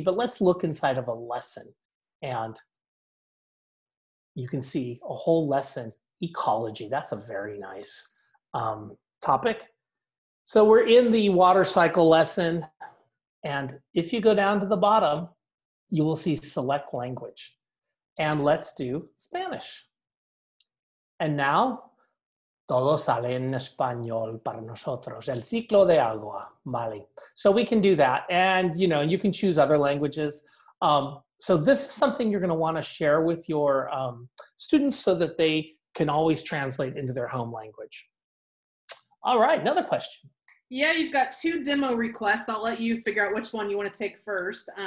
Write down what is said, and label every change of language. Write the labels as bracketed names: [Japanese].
[English] But let's look inside of a lesson. And you can see a whole lesson, ecology. That's a very nice topic. So we're in the water cycle lesson. And if you go down to the bottom, you will see select language. And let's do Spanish. And now, [Spanish] todo sale en español para nosotros, el ciclo de agua, Mali. [English] So we can do that. And you know, you can choose other languages. So this is something you're gonna wanna share with your students so that they can always translate into their home language. All right, another question. Yeah, you've got two demo requests. I'll let you figure out which one you wanna take first.